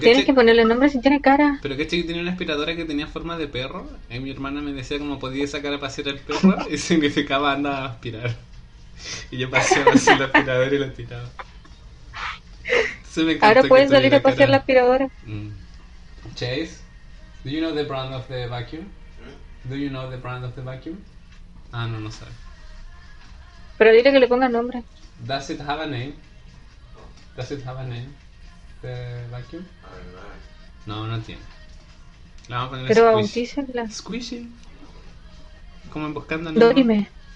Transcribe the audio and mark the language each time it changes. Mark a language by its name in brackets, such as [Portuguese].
[Spanish] que... Tienes que ponerle nombre si tiene cara. Pero que este que tiene una aspiradora que tenía forma de perro. Y mi hermana me decía cómo podía sacar a pasear el perro. Y significaba anda a aspirar. Y yo paseaba así la aspiradora y la tiraba. Se me encantó. Ahora puedes salir a pasear la aspiradora. [English] Chase, do you know the brand of the vacuum? Do you know the brand of the vacuum? [Spanish] Ah, no sabe. Pero dile que le ponga nombre. [English] Does it have a name? Does it have a name? The vacuum? [Spanish] No tiene. Le vamos a poner pero [English] squishy. [Spanish] Pero bautícenla. Squishy. Como buscando nombre. Dorime.